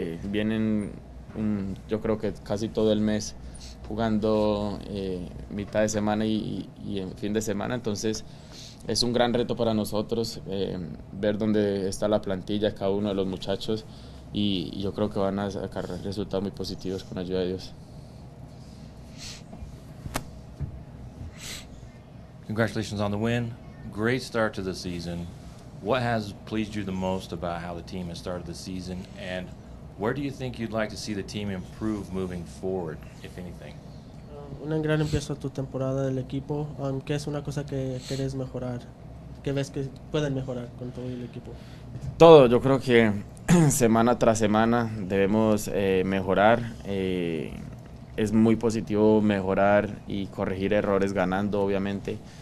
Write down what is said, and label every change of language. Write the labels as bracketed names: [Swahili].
[Spanish] Vienen, yo creo que casi todo el mes jugando mitad de semana y en fin de semana. Entonces, es un gran reto para nosotros ver dónde está la plantilla, cada uno de los muchachos, y yo creo que van a sacar resultados muy positivos con ayuda de Dios. [English] Congratulations on the win. Great start to the season. What has pleased you the most about how the team has started the season, and where do you think you'd like to see the team improve moving forward, if anything? [Spanish] Un gran empiezo a tu temporada del equipo. ¿Qué es una cosa que quieres mejorar? ¿Qué ves que pueden mejorar con todo el equipo? Todo. Yo creo que semana tras semana debemos mejorar. Es muy positivo mejorar y corregir errores ganando, obviamente.